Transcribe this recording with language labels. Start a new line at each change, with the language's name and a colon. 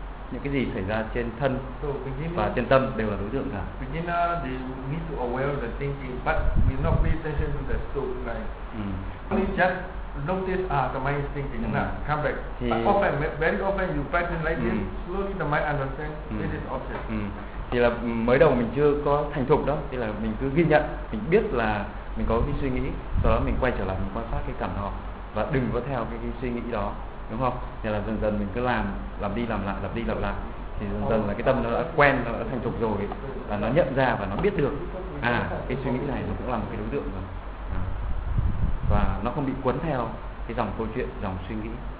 Vietnamese: Những cái gì xảy ra trên thân và trên tâm đều là đối tượng cả.
English: Beginner they need to aware of the thinking, but we not pay attention to the soul mind. Only just notice the mind is thinking. Come back. Often, very often you practice like this, slowly the mind understands it is object.
Vietnamese: Thì là mới đầu mình chưa có thành thục đó, thì là mình cứ ghi nhận, mình biết là mình có cái suy nghĩ, sau đó mình quay trở lại mình quan sát cái cảm thọ và đừng có theo cái suy nghĩ đó, đúng không? Thì là dần dần mình cứ làm đi làm lại thì dần dần là cái tâm nó đã quen, nó đã thành thục rồi ấy, và nó nhận ra và nó biết được cái suy nghĩ này nó cũng là một cái đối tượng rồi, và nó không bị cuốn theo cái dòng câu chuyện, dòng suy nghĩ.